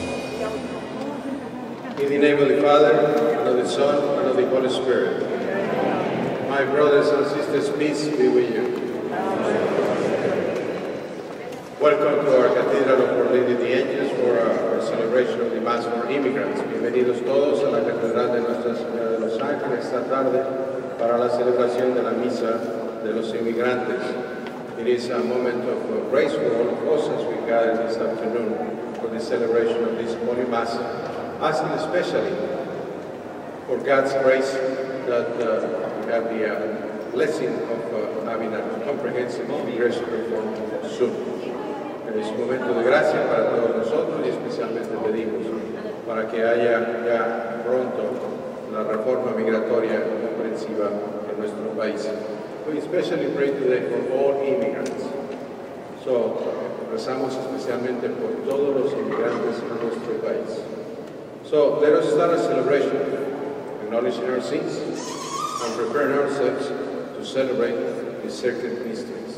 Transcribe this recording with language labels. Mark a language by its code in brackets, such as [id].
[en] name of the Father, and of the Son, and of the Holy Spirit. My brothers and sisters, peace be with you. Welcome to our Cathedral of Our Lady the Angels for our celebration of the Mass for Immigrants. [es] Bienvenidos todos a la Catedral de Nuestra Señora de los Ángeles esta tarde para la celebración de la Misa de los Inmigrantes. [en] It is a moment of grace for all of us as we gather this afternoon for the celebration of this Holy Mass, asking especially for God's grace that we have the blessing of having a comprehensive immigration reform soon. [es] En este momento de gracia para todos nosotros y especialmente pedimos para que haya ya pronto la reforma migratoria comprensiva en nuestro país. [en] We especially pray today for all immigrants. So, [es] rezamos especialmente por todos los inmigrantes en nuestro país. [en] So, let us start a celebration, acknowledging our sins and preparing ourselves to celebrate the sacred mystery.